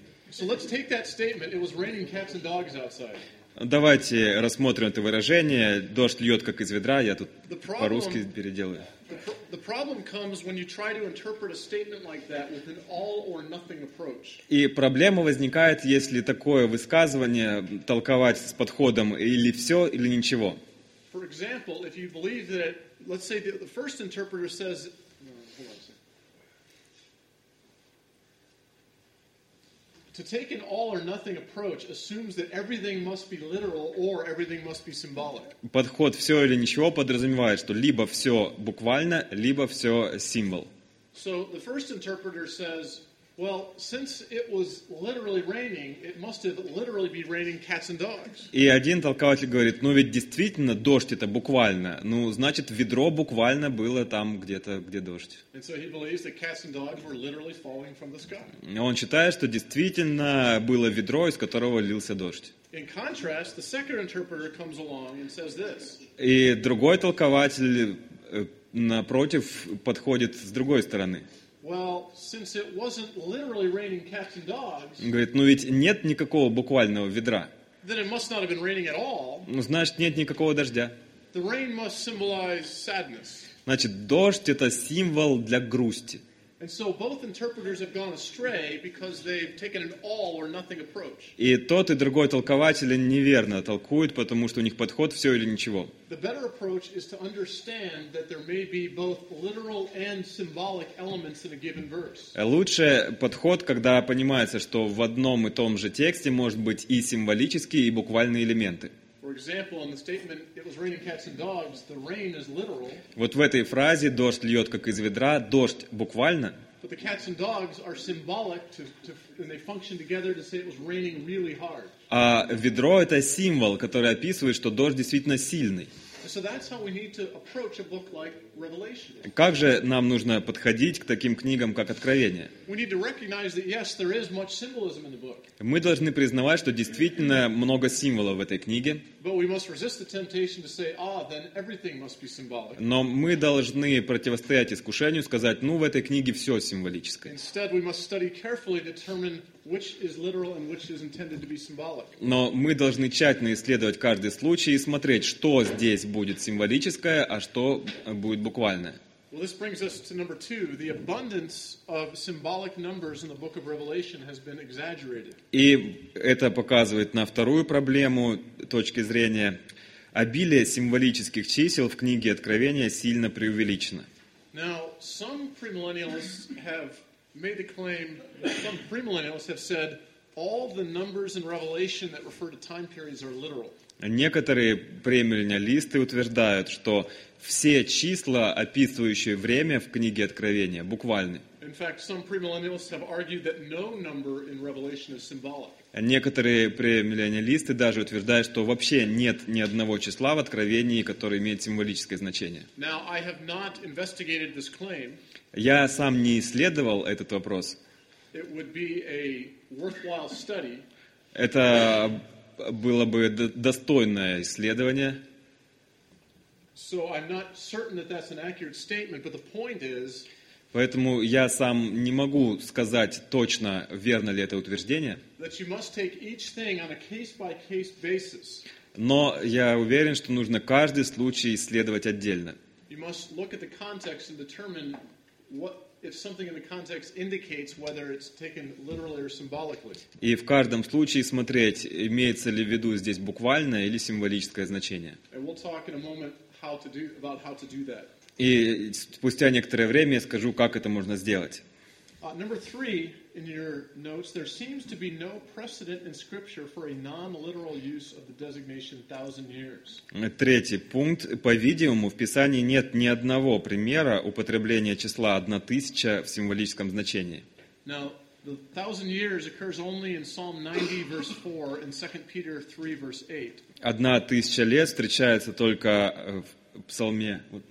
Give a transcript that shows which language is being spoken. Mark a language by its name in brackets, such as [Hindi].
[English] So let's take that statement, it was raining cats and dogs outside. [Russian] Давайте рассмотрим это выражение, дождь льет как из ведра, я тут по-русски переделаю. [English] The problem comes when you try to interpret a statement like that with an all or nothing approach. [Russian] И проблема возникает, если такое высказывание толковать с подходом или все, или ничего. [English] For example, if you believe that, let's say the first interpreter says... To take an all or nothing approach assumes that everything must be literal or everything must be symbolic. [Russian] Подход всё или ничего подразумевает, что либо всё буквально, либо всё символ. [English] So the first interpreter says, well, since it was literally raining, it must have literally be raining cats and dogs. [Russian] И один толкователь говорит: "Ну ведь действительно дождь это буквально. Ну, значит, ведро буквально было там где-то, где дождь". [English] And so he believes that cats and dogs were literally falling from the sky. [Russian] Он считает, что действительно было ведро, из которого лился дождь. [English] In contrast, the second interpreter comes along and says this. [Russian] И другой толкователь напротив подходит с другой стороны. [English] Well, since it wasn't literally raining cats and dogs. [Russian] Говорит, ну ведь нет никакого буквального ведра. [English] Then it must not have been raining at all. [Russian] Ну, значит, нет никакого дождя. [English] The rain must symbolize sadness. [Russian] Значит, дождь это символ для грусти. [English] And so both interpreters have gone astray because they've taken an all or nothing approach. [Russian] И тот и другой толкователи неверно толкуют, потому что у них подход всё или ничего. [English] The better approach is to understand that there may be both literal and symbolic elements in a given verse. [Russian] Лучший подход, когда понимается, что в одном и том же тексте может быть и символические, и буквальные элементы. [English] For example, in the statement it was raining cats and dogs, the rain is literal. [Russian] Вот в этой фразе дождь льёт как из ведра, дождь буквально. [English] But the cats and dogs are symbolic to and they function together to say it was raining really hard. [Russian] А ведро это символ, который описывает, что дождь действительно сильный. [English] So that's how we need to approach a book like Revelation. [Russian] Как же нам нужно подходить к таким книгам, как Откровение? [English] We need to recognize that yes, there is much symbolism in the book. [Russian] Мы должны признавать, что действительно много символов в этой книге. [English] But we must resist the temptation to say, ah, then everything must be symbolic. [Russian] Но мы должны противостоять искушению сказать: ну, в этой книге всё символическое. [English] Instead, we must study carefully to determine which is literal and which is intended to be symbolic. [Russian] Но мы должны тщательно исследовать каждый случай и смотреть, что здесь будет символическое, а что будет буквальное. [English] Well, this brings us to number two. The abundance of symbolic numbers in the book of Revelation has been exaggerated. [Russian] И это показывает на вторую проблему точки зрения. Обилие символических чисел в книге Откровения сильно преувеличено. [English] Now, some premillennialists have made the claim, some premillennialists have said, all the numbers in Revelation that refer to time periods are literal. [Russian] Некоторые премиллениалисты утверждают, что все числа, описывающие время в книге Откровения, буквальны. [English] In fact, some premillennialists have argued that no number in Revelation is symbolic. [Russian] Некоторые премиллениалисты даже утверждают, что вообще нет ни одного числа в Откровении, которое имеет символическое значение. [English] Now, I have not investigated this claim. [Russian] Я сам не исследовал этот вопрос. [English] It would be a worthwhile study. [Russian] Это было бы достойное исследование. [English] So I'm not certain that that's an accurate statement, but the point is. [Russian] Поэтому я сам не могу сказать точно, верно ли это утверждение. [English] That you must take each thing on a case-by-case basis. [Russian] Но я уверен, что нужно каждый случай исследовать отдельно. [English] You must look at the context and determine what if something in the context indicates whether it's taken literally or symbolically. [Russian] И в каждом случае смотреть, имеется ли в виду здесь буквальное или символическое значение. [English] And we'll talk in a moment. How to do that. [Russian] И спустя некоторое время я скажу, как это можно сделать. [English] Number three in your notes, there seems to be no precedent in Scripture for a non-literal use of the designation thousand years. [Russian] Третий пункт. По-видимому, в Писании нет ни одного примера употребления числа 1000 в символическом значении. [English] Now, the thousand years occurs only in Psalm 90, verse 4, and 2 Peter 3, verse 8. [Russian] Одна тысяча лет встречается только в Псалме.